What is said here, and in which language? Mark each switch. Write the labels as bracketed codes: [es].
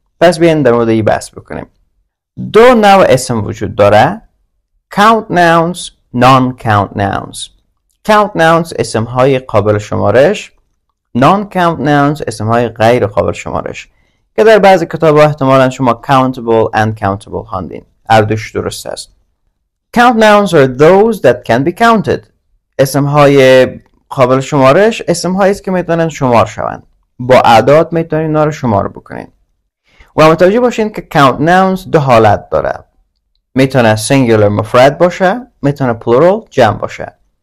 [fa] پس بیاین در مورد این بحث بکنیم. دو نوع اسم وجود داره: count nouns، non count nouns. count nouns اسم های قابل شمارش، non count nouns اسم های غیر قابل شمارش، که در بعضی کتاب ها احتمالا شما [en] countable and countable [fa] خواندین. هر دوش درست است. [en] count nouns are those that can be counted. [fa] اسم های قابل شمارش اسم هایی است که میتونن شمار شوند، با اعداد میتونین اینا رو شمار بکنین. و متوجه باشین که count nouns دو حالت داره، میتونه singular مفرد باشه، میتونه plural جمع باشه.